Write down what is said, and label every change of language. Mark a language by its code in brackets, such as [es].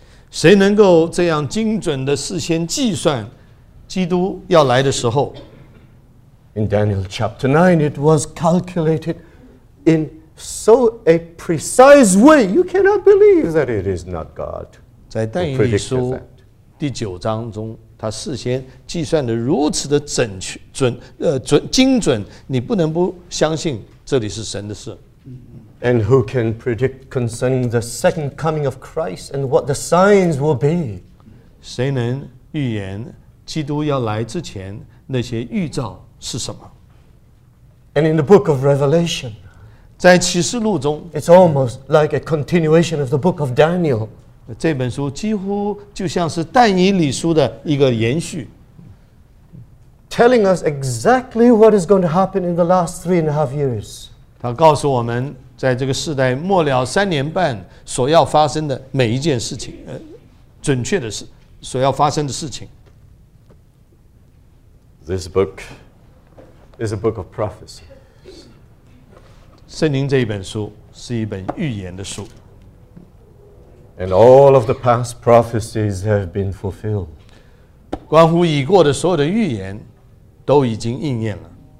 [zh] 谁能够这样精准的事先计算基督要来的时候 [en] ？In Daniel chapter 9, it was calculated in so a precise way, you cannot believe that it is not God. [zh] 在但以理书第九章中，他事先计算的如此的准确、精准，你不能不相信这里是神的事。 [en] And who can predict concerning the second coming of Christ and what the signs will be? [zh] 谁能预言基督要来之前那些预兆是什么？ [en] And in the book of Revelation, [zh] 在启示录中， [en] it's almost like a continuation of the book of Daniel. [zh] 这本书几乎就像是但以理书的一个延续。 [en] Telling us exactly what is going to happen in the last 3.5 years. [zh] 他告诉我们在这个世代末了三年半所要发生的每一件事情，准确的是所要发生的事情。 [en] This book is a book of prophecy. [zh] 圣经这一本书是一本预言的书。 [en] And all of the past prophecies have been fulfilled. [zh] 关乎已过的所有的预言都已经应验了。